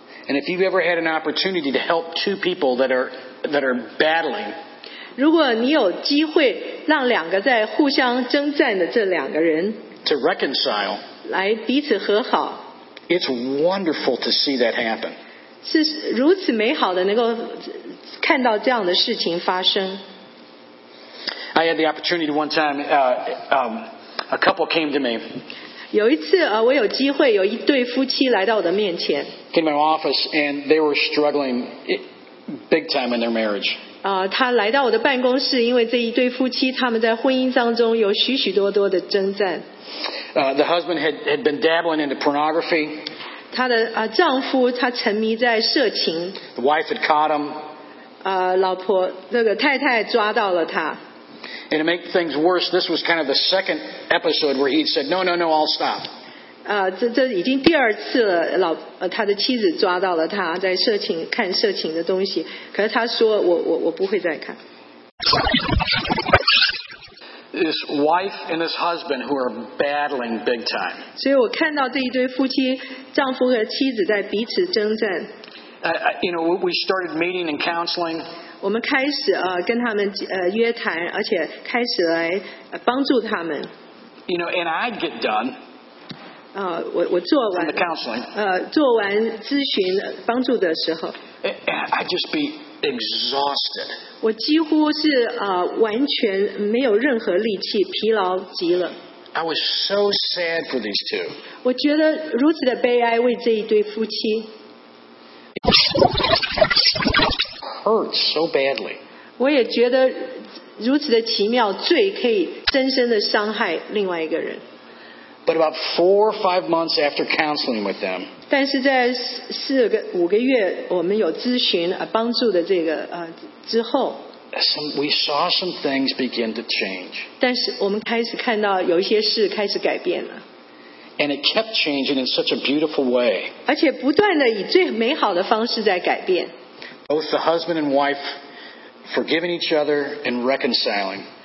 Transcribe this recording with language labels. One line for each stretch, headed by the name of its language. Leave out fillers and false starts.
English: And if you've ever had an opportunity to help two people that are battling.
Chinese: 如果你有机会让两个在互相征战的这两个人
English: to reconcile
Chinese: 来彼此和好
English: it's wonderful to see that happen
Chinese: 是如此美好的能够看到这样的事情发生
English: I had the opportunity one time a couple came to me
Chinese: 有一次我有机会有一对夫妻来到我的面前
English: came to my office and they were struggling big time in their marriage
Chinese: 他来到我的办公室，因为这一对夫妻他们在婚姻当中有许许多多的征战。
English: The husband had been dabbling into pornography.
Chinese: 他的丈夫他沉迷在色情。
English: The wife had caught him.
Chinese: 老婆这个太太抓到了他。
English: And to make things worse, this was kind of the second episode where he said, "No, no, no, I'll stop."
Chinese: 这已经第二次了，他的妻子抓到了他在色情看色情的东西，可是他说我不会再看。
English: This wife and this husband who are battling big time.
Chinese: 所以我看到这一对夫妻，丈夫和妻子在彼此征战。
English: You know, we started meeting and counseling.
Chinese: 我们开始跟他们约谈，而且开始来帮助他们。
English: You know, and I'd get done.
Chinese: 我做完。
English: From the counseling.
Chinese: 做完咨询帮助的时候。
English: I'd just be exhausted.
Chinese: 我几乎是完全没有任何力气，疲劳极了。
English: I was so sad for these two.
Chinese: 我觉得如此的悲哀为这一对夫妻。
English: Hurt so badly.
Chinese: 我也觉得如此的奇妙，罪可以深深的伤害另外一个人。
English: But about 4 or 5 months after counseling with them.
Chinese: 但是在4-5个月，我们有咨询帮助的这个之后。
English: We saw some things begin to change.
Chinese: 但是我们开始看到有一些事开始改变了。
English: And it kept changing in such a beautiful way.
Chinese: 而且不断的以最美好的方式在改变。
English: Both the husband and wife forgiving each other and reconciling.